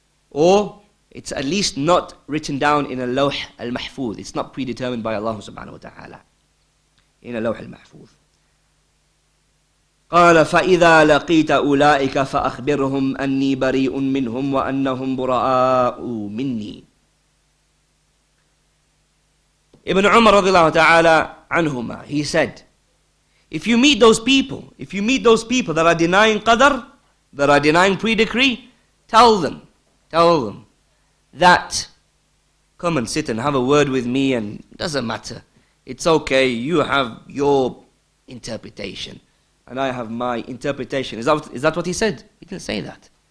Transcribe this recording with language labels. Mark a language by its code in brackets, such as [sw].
[en] Or it's at least not written down in a lawh al-mahfuz. It's not predetermined by Allah subhanahu wa ta'ala. In a lawh al-mahfuz. [ar] قال فإذا لقيت أولئك فأخبرهم أني بريء منهم وأنهم براء مني. [en] Ibn Umar [ar] رضي الله تعالى عنهما, [en] he said, if you meet those people, if you meet those people that are denying qadr, that are denying pre-decree, tell them that come and sit and have a word with me, and it doesn't matter, it's okay, you have your interpretation and I have my interpretation. Is that what he said? He didn't say that.